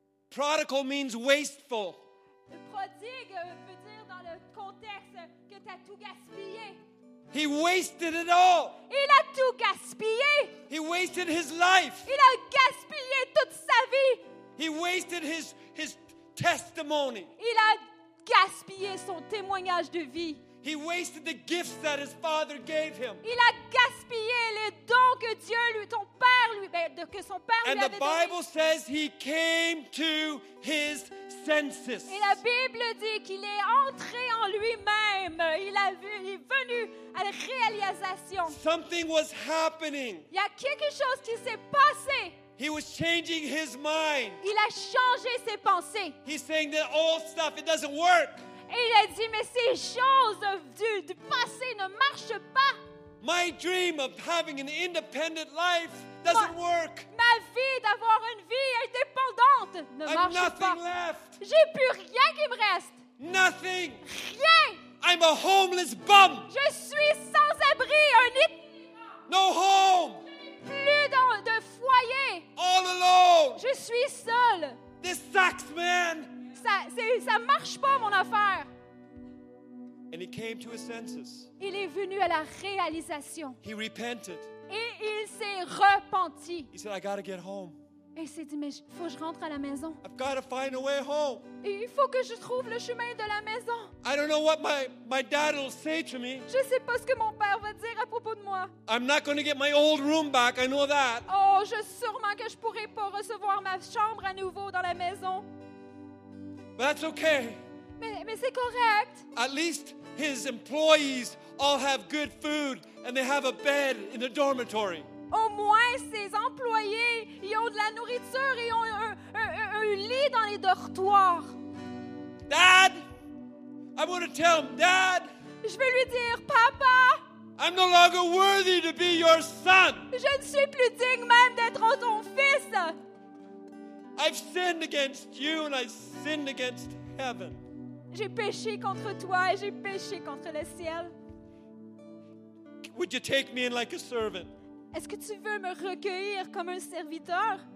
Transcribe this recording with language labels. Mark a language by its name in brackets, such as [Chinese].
[English] Prodigal means wasteful. [French] Le prodigue veut dire dans le contexte que t'as tout gaspillé. [English] He wasted it all. [French] Il a tout gaspillé. [English] He wasted his life. [French] Il a gaspillé toute sa vie. [English] He wasted his testimony. [French] Il a gaspillé son témoignage de vie. [English] He wasted the gifts that his father gave him. [French] Il a gaspillé les dons que Dieu lui, ton père lui, que son père lui avait donné. [English] And the Bible says he came to his senses. [French] Et la Bible dit qu'il est entré en lui-même. Il est venu à la réalisation. [English] Something was happening. [French] Il y a quelque chose qui s'est passé. [English] He was changing his mind. [French] Il a changé ses pensées. [English] He's saying that old stuff, it doesn't work. [French] Et il a dit, mais ces choses du passé ne marchent pas. [English] My dream of having an independent life doesn't work. [French] Ma vie d'avoir une vie indépendante ne marche pas. [English] I have nothing left. [French] J'ai plus rien qui me reste. [English] Nothing. [French] Rien. [English] I'm a homeless bum. [French] Je suis sans abri, un [English] no home. [French] Plus de foyer. [English] All alone. [French] Je suis seul. [English] This sucks, man. [French] Ça marche pas, mon affaire. [English] And he came to his senses. [French] Il est venu à la réalisation. [English] He repented. [French] Et il s'est repenti. [English] He said, I gotta get home. [French] Et il s'est dit, mais il faut que je rentre à la maison. [English] I've gotta find a way home. [French] Et il faut que je trouve le chemin de la maison. [English] I don't know what my dad will say to me. [French] Je sais pas ce que mon père va dire à propos de moi. [English] I'm not gonna get my old room back, I know that. [French] Oh, je suis sûrement que je pourrai pas recevoir ma chambre à nouveau dans la maison. [English] But that's okay. [French] Mais c'est correct. [English] At least his employees all have good food and they have a bed in the dormitory. [French] Au moins ses employés, ils ont de la nourriture et ont un lit dans les dortoirs. [English] Dad, I'm going to tell him, Dad. [French] Je vais lui dire, papa. [English] I'm no longer worthy to be your son. [French] Je ne suis plus digne même d'être ton fils. [English] I've sinned against you and I sinned against heaven. [French] J'ai péché contre toi et j'ai péché contre le ciel. [English] Would you take me in like a servant? [French] Est-ce que tu veux me recueillir comme un serviteur?